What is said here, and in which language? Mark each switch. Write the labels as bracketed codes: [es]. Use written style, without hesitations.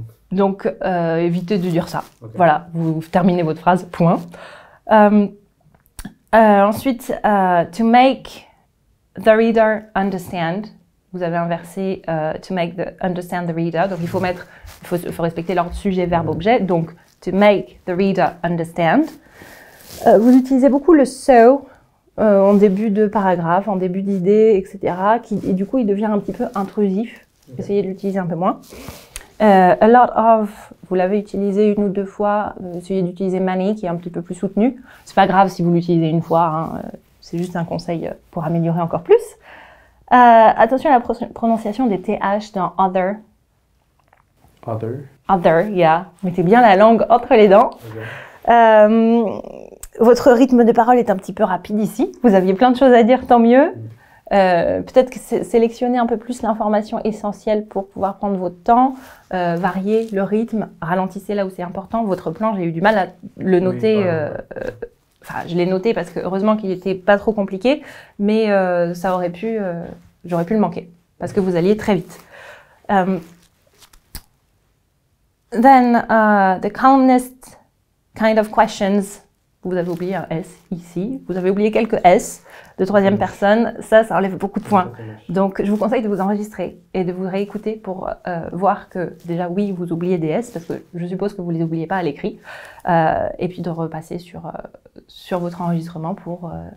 [fr] Donc, évitez de dire ça. Okay. Voilà, vous terminez votre phrase, point. Ensuite, [en] to make the reader understand, [fr] vous avez inversé [en] to make the understand the reader. [fr] Donc, il faut respecter l'ordre sujet, verbe, objet. Donc, [en] to make the reader understand. [fr] Vous utilisez beaucoup le so en début de paragraphe, en début d'idée, etc. Et du coup, il devient un petit peu intrusif. Essayez de l'utiliser un peu moins. [en] A lot of, [fr] vous l'avez utilisé une ou deux fois, essayez d'utiliser many qui est un petit peu plus soutenu. C'est pas grave si vous l'utilisez une fois, hein. C'est juste un conseil pour améliorer encore plus. Attention à la prononciation des th dans other. [en] Other. Other, yeah. [fr] Mettez bien la langue entre les dents. Okay. Votre rythme de parole est un petit peu rapide ici. Vous aviez plein de choses à dire, tant mieux. Peut-être que sélectionner un peu plus l'information essentielle pour pouvoir prendre votre temps, varier le rythme, ralentissez là où c'est important. Votre plan, j'ai eu du mal à le noter. Je l'ai noté parce que heureusement qu'il n'était pas trop compliqué, mais ça aurait pu, j'aurais pu le manquer parce que vous alliez très vite. [en] The columnist kind of questions. [fr] Vous avez oublié un S ici. Vous avez oublié quelques S de troisième personne. Ça enlève beaucoup de points. Donc, je vous conseille de vous enregistrer et de vous réécouter pour voir que, déjà, oui, vous oubliez des S, parce que je suppose que vous ne les oubliez pas à l'écrit. Et puis, de repasser sur votre enregistrement pour